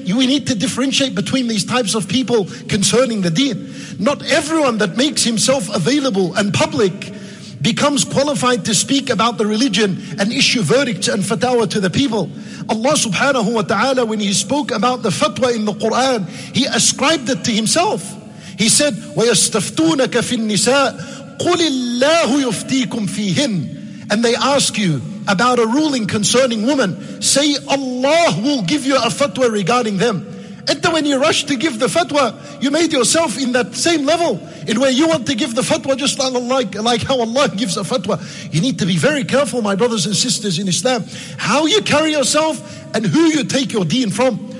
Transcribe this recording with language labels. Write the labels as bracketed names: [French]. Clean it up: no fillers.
[English] We need to differentiate between these types of people concerning the deen. Not everyone that makes himself available and public becomes qualified to speak about the religion and issue verdicts and fatwa to the people. Allah subhanahu wa ta'ala, when He spoke about the fatwa in the Quran, He ascribed it to Himself. He said, [Arabic] وَيَسْتَفْتُونَكَ فِي النِّسَاءِ قُلِ اللَّهُ يُفْتِيكُمْ فِيهِنْ. [English] And they ask you about a ruling concerning women. Say, Allah will give you a fatwa regarding them. And when you rush to give the fatwa, you made yourself in that same level in where you want to give the fatwa, just like how Allah gives a fatwa. You need to be very careful, my brothers and sisters in Islam, how you carry yourself and who you take your deen from.